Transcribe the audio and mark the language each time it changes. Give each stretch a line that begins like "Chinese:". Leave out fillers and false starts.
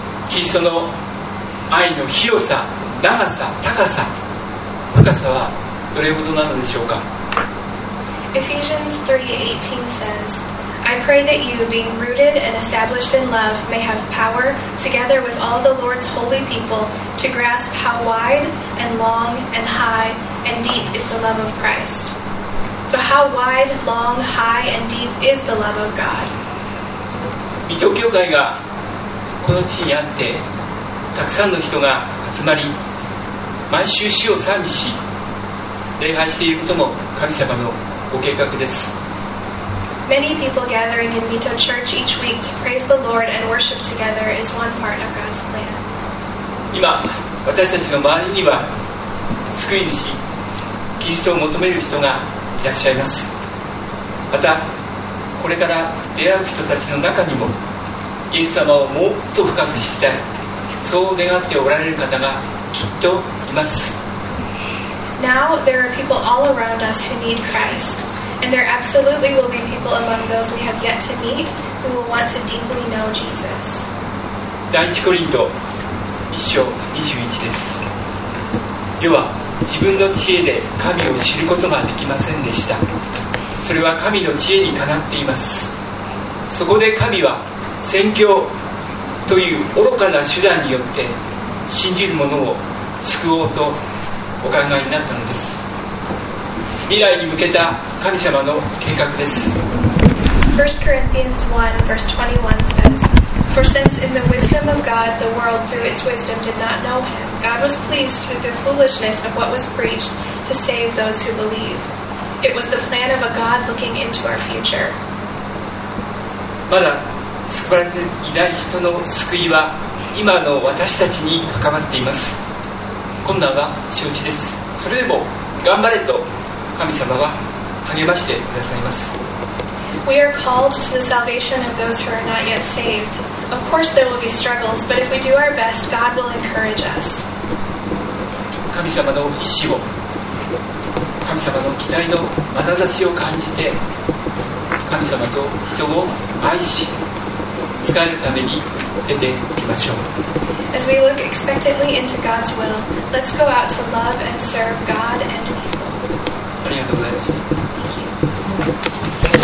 Japanese: キリストの愛の広さ、長さ、高さ、深さはどれほどなのでしょうか。
English: Ephesians 3:18 says,I pray that you, being rooted and established in love, may have power, together with all the Lord's holy people, to grasp how wide and long and high and deep is the love of Christ. So how wide, long, high and deep is the love of God?
Japanese: 御教教会がこの地にあって、たくさんの人が集まり、毎週主を賛美し礼拝していることも神様のご計画です。
English: Many people gathering in Mito Church each week to praise the Lord and worship together is one part of God's plan.
Japanese: 今、私たちの周りには救い主、キリストを求める人がいらっしゃいます。また、これから出会う人たちの中にも、イエス様をもっと深く知りたい、そう願っておられる方がきっといます。
English: Now, there are people all around us who need Christ. And there absolutely will be people among those we have yet to meet who will want to deeply know Jesus.
Japanese: 第一コリント1章21です。要は自分の知恵で神を知ることができませんでした。それは神の知恵にかなっています。そこで神は宣教という愚かな手段によって信じる者を救おうとお考えになったのです。未来に向けた神様の計画です。
English: 1 Corinthians 1 verse 21 says, For since in the wisdom of God the world through its wisdom did not know him, God was pleased through the foolishness of what was preached to save those who believe. It was the plan of a God looking into our future.
Japanese: まだ救われていない人の救いは今の私たちに関わっています。困難は承知です。それでも頑張れと神様は励ましてくださいます。
English: We are called to the salvation of those who are not yet saved. Of course there will be struggles, but if we do our best, God will encourage us.
Japanese: 神様の意志を、神様の期待の眼差しを感じて、神様と人を愛し、使えるために出ていきましょう。
English: As we look expectantly into God's will, let's go out to love and serve God and people.
Japanese: ありがとうございました。